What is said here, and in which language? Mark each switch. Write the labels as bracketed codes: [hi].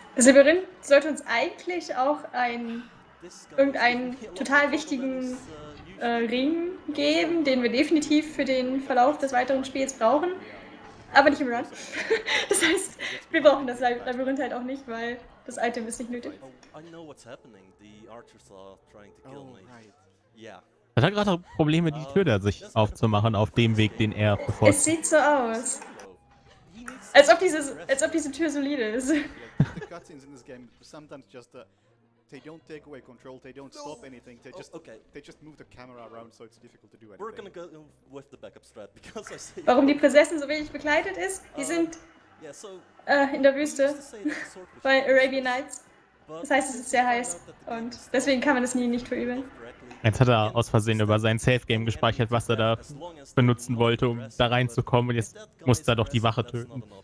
[de] Das Labyrinth sollte uns eigentlich auch irgendeinen total wichtigen Ring geben, den wir definitiv für den Verlauf des weiteren Spiels brauchen. Aber nicht im Run. Das heißt, wir brauchen das Labyrinth halt auch nicht, weil das Item ist nicht nötig. [en] I know what's happening. The archers are trying to kill me. Yeah. [de] Hat er gerade Probleme, die Tür da sich aufzumachen, auf dem Weg, den er verfolgt? Es sieht so aus. Als ob diese Tür solide ist. [en] The cutscenes in this game sometimes just they don't take away control, they don't stop anything, they just move the camera around, so it's difficult to do anything. [de] Warum die Prinzessin so wenig begleitet ist? Die sind in der Wüste bei Arabian Nights. Das heißt, es ist sehr heiß und deswegen kann man das nie nicht verübeln. Jetzt hat er aus Versehen über sein Safe-Game gespeichert, was er da benutzen wollte, um da reinzukommen, und jetzt muss er doch die Wache töten.